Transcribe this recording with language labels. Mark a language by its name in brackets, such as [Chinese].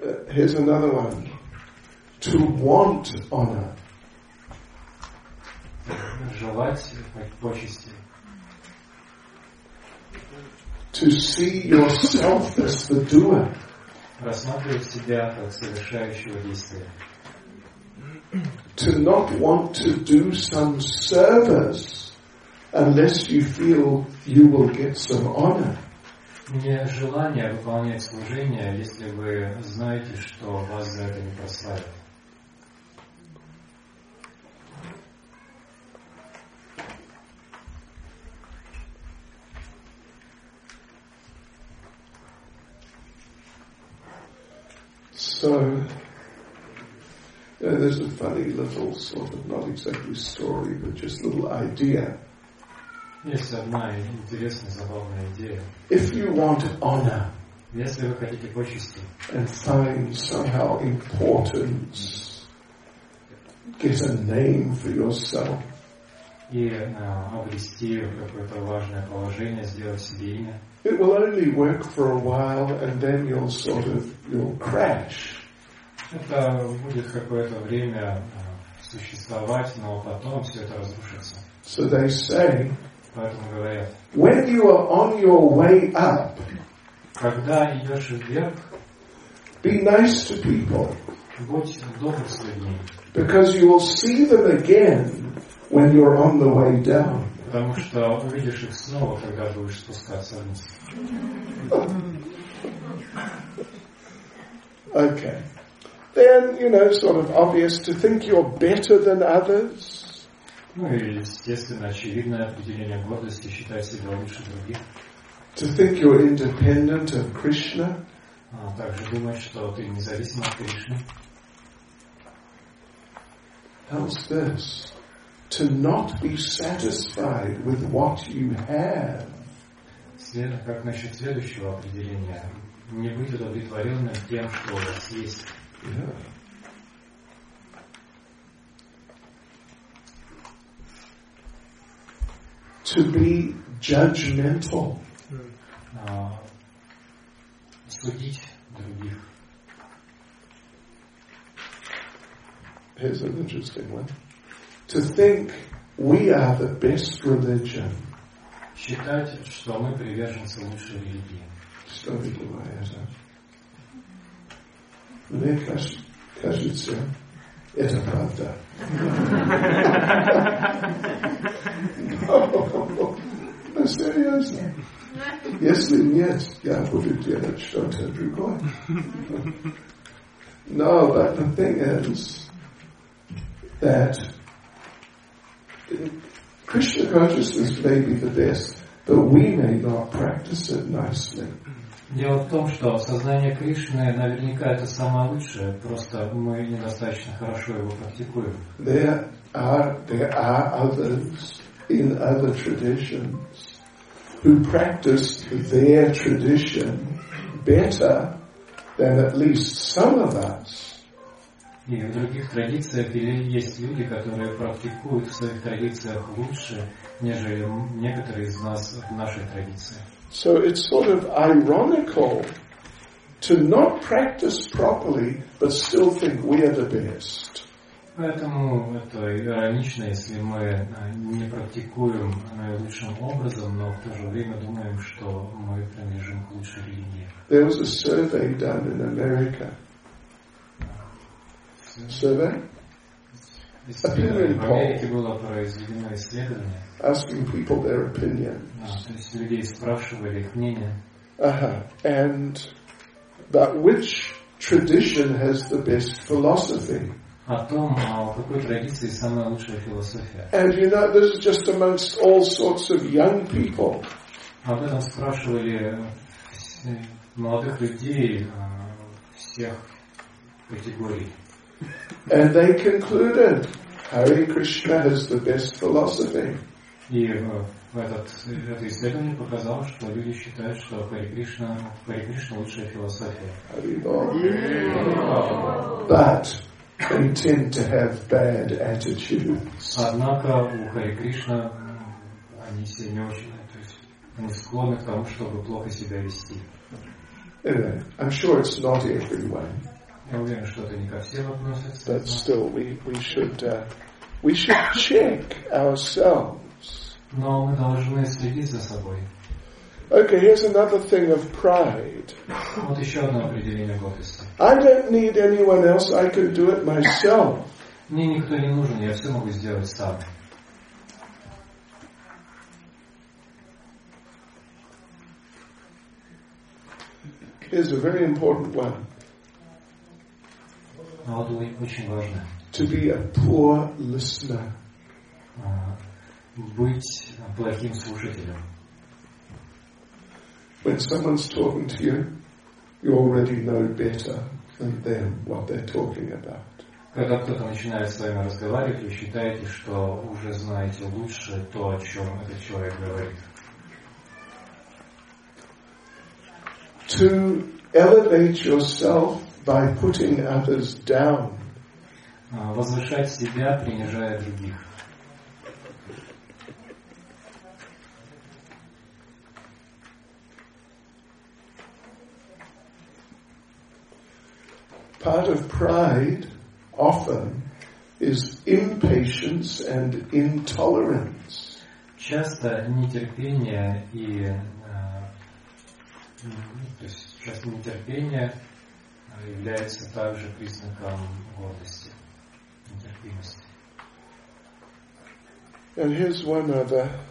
[English] Here's another one. To want honor. [Russian] Желать почести. [English] To see yourself as the doer. [Russian] Рассматривать себя как совершающего действия. [English] To not want to do some service unless you feel you will get some honor. [Russian] Не желание выполнять служение, если вы знаете, что вас за это не прославят. [English] So, there's a funny little sort of, not exactly story, but just little idea. Yes, my interesting, [Russian] забавная [English] idea. If you want honor, [Russian] если вы хотите почести, [English] and find somehow importance, get a name for yourself. [Russian] И обрести какое-то важное положение, сделать себе имя. [English] It will only work for a while, and then you'll crash. [Russian] Это будет какое-то время существовать, но потом все это разрушится. [English] So they say. [Russian] Поэтому говорят. [English] When you are on your way up. [Russian] Когда идешь вверх. [English] Be nice to people. [Russian] Будь добр с людьми. [English] Because you will see them again when you're on the way down. [Russian] потому что увидишь их снова, когда будешь спускаться вниз. [English] Okay. Then, you know, sort of obvious to think you're better than others. [Russian] Ну и естественно, очевидное определение гордости — считать себя лучше других. [English] To think you're independent of Krishna. [Russian] Также думать, что ты независим от Кришны. [English] How's this? To not be satisfied with what you have. [Russian] Следом, как насчет следующего определения? Не быть удовлетворенным тем, что у вас есть. [English] Yeah. To be judgmental. [Russian] Судить других. [English] Here's an interesting one. To think we are the best religion. [Russian] Считать, что мы приверженцы лучшей религии. Что вы думаете? Мне кажется, это правда. [English] No. No, [Russian] серьезно? Если нет, я буду делать что-то другое. [English] No, but the thing is that Krishna consciousness may be the best, but we may not practice it nicely. [Russian] Дело в том, что сознание Кришны наверняка это самое лучшее, просто мы недостаточно хорошо его практикуем. [English] There are others in other traditions who practice their tradition better than at least some of us. [Russian] И в других традициях есть люди, которые практикуют в своих традициях лучше, нежели некоторые из нас в нашей традиции. [English] So it's sort of ironical to not practice properly, but still think we are the best. [Russian] Поэтому это иронично, если мы не практикуем наилучшим образом, но в то же время думаем, что мы принадлежим к лучшей религии. [English] There was a survey done in America. Survey? Opinion poll. [Russian] В Америке было произведено исследование. [English] Asking people their opinions. [Russian] То есть людей спрашивали их мнение. [English] And that which tradition has the best philosophy? [Russian] О том, в какой традиции самая лучшая философия. [English] And you know, this is just amongst all sorts of young people. [Russian] Об этом спрашивали молодых людей всех категорий. [English] And they concluded, Hare Krishna has the best philosophy. [Russian] И это исследование показало, что люди считают, что Хари Кришна лучшая философия. [English] But they tend to have bad attitudes. [Russian] Однако у Хари Кришна они все не очень, то есть они склонны к тому, чтобы плохо себя вести. [English] Anyway, I'm sure it's not everyone. [Russian] Я уверен, что это не ко всем относится. [English] But still, we should check ourselves. [Russian] Но мы должны следить за собой. [English] Okay, here's another thing of pride. [Russian] Вот еще одно определение гордости. [English] I don't need anyone else, I can do it myself. [Russian] Мне никто не нужен, я все могу сделать сам. [English] Here's a very important one. [Russian] А вот очень важно. [English] To be a poor listener. [Russian] Быть плохим слушателем. [English] When someone's talking to you, you already know better than them what they're talking about. [Russian] Когда кто-то начинает с вами разговаривать, вы считаете, что уже знаете лучше то, о чем этот человек говорит. [English] To elevate yourself by putting others down. [Russian] Возвышать себя, принижая других. [English] Part of pride often is impatience and intolerance. [Russian] Часто нетерпение и то есть часто нетерпение является также признаком гордости, нетерпимости. [English] And here's one other